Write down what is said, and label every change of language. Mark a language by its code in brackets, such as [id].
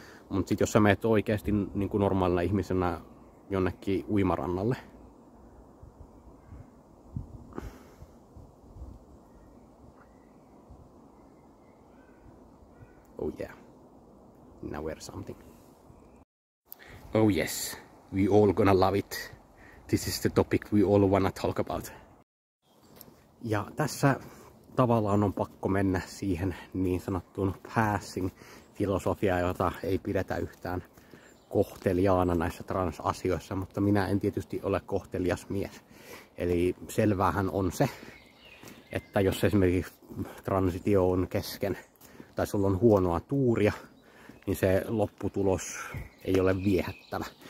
[fi] Mutta sitten jos sä meet oikeasti niin kuin normaalina ihmisenä jonnekin uimarannalle, [en] oh yeah, now we're something. Oh yes, we all gonna love it. This is the topic we all wanna talk about. [fi] Ja tässä tavallaan on pakko mennä siihen niin sanottuun passing-filosofiaan, jota ei pidetä yhtään kohteliaana näissä transasioissa, mutta minä en tietysti ole kohtelias mies. Eli selväähän on se, että jos esimerkiksi transitio on kesken, tai sulla on huonoa tuuria, niin se lopputulos ei ole viehättävä.